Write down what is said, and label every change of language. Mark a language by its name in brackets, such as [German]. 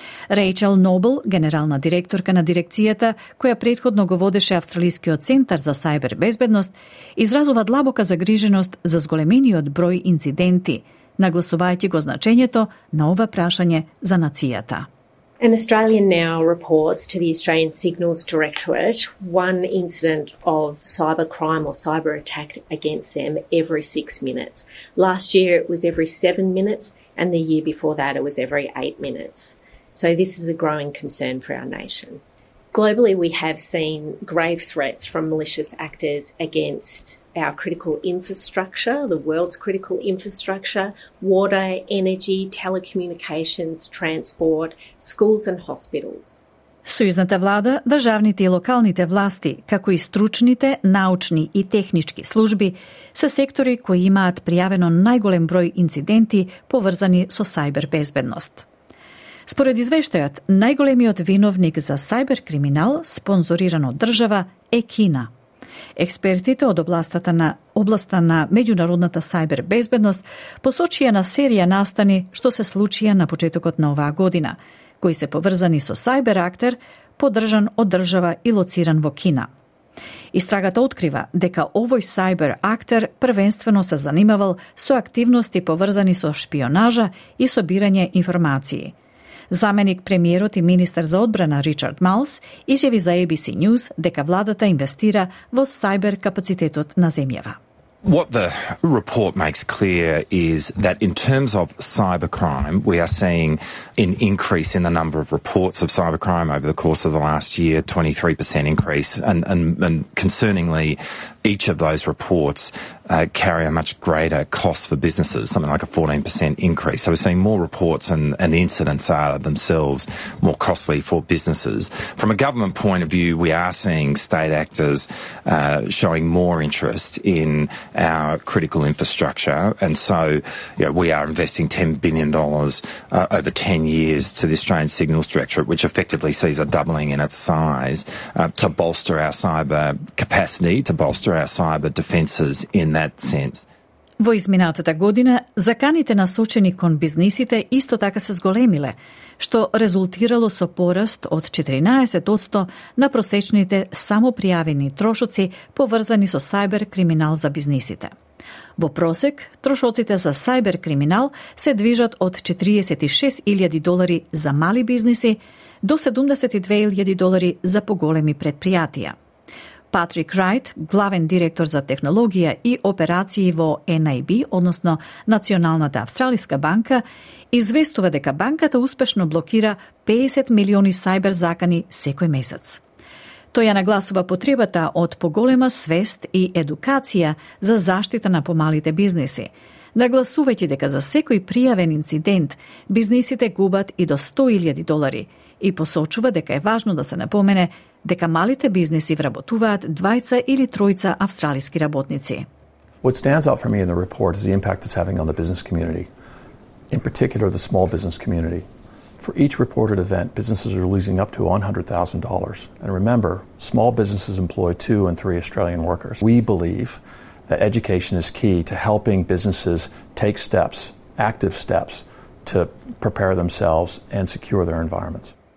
[Macedonian] Рејчел Нобл, генерална директорка на дирекцијата, која предходно го водеше Австралискиот центар за сајбер безбедност, изразува длабока загриженост за зголемениот број инциденти, нагласувајќи го значењето на ова прашање за нацијата. [English] An Australian now reports to the Australian Signals Directorate one incident of cyber crime or cyber attack against them every 6 minutes. Last year it was every 7 minutes and the year before that it was every 8 minutes. So this is a growing concern for our nation. Globally, we have seen grave threats from malicious actors against our critical infrastructure, the world's critical infrastructure, water, energy, telecommunications, transport, schools and hospitals. [Macedonian] Сојузната влада, државните и локалните власти, како и стручните, научни и технички служби, се сектори кои имаат пријавено најголем број инциденти поврзани со сајбер безбедност. Според извештајот, најголемиот виновник за сајбер криминал, спонзориран од држава, е Кина. Експертите од областта на меѓународната сајбер безбедност посочија на серија настани што се случија на почетокот на оваа година, кои се поврзани со сајбер актер, поддржан од држава и лоциран во Кина. Истрагата открива дека овој сајбер актер првенствено се занимавал со активности поврзани со шпионажа и собирање информации. Заменик премиерот и министер за одбрана Ричард Малс изјави за ABC News дека владата инвестира во сајбер капацитетот на земјава. [English] What the report makes clear is that in terms of cybercrime, we are seeing an increase in the number of reports of cybercrime over the course of the last year, 23% increase, and concerningly, each of those reports carry a much greater cost for businesses, something like a 14% increase. So we're seeing more reports and the incidents are themselves more costly for businesses. From a government point of view, we are seeing state actors showing more interest in our critical infrastructure. And so, you know, we are investing $10 billion over 10 years to the Australian Signals Directorate, which effectively sees a doubling in its size to bolster our cyber capacity, to bolster our cyber defences in that sense. [Macedonian] Во изминатата година, заканите насочени кон бизнисите исто така се зголемиле, што резултирало со пораст од 14% на просечните самопријавени трошоци поврзани со сајбер криминал за бизнисите. Во просек, трошоците за сајбер криминал се движат од 46.000 долари за мали бизниси до 72.000 долари за поголеми предпријатија. Патрик Райт, главен директор за технологија и операции во NAB, односно Националната австралиска банка, известува дека банката успешно блокира 50 милиони сајбер закани секој месец. Тој ја нагласува потребата од поголема свест и едукација за заштита на помалите бизнеси, нагласувајќи дека за секој пријавен инцидент бизнесите губат и до 100.000 долари и посочува дека е важно да се напомене дека малите бизнеси вработуваат двајца или тројца австралиски работници. [English] What stands out for me in the report is the impact it's having on the business community, in particular the small business community. For each reported event, businesses are losing up to $100,000. And remember, small businesses employ 2 and 3 Australian workers. We believe that education is key to helping businesses take steps, active steps, to prepare themselves and secure their environments.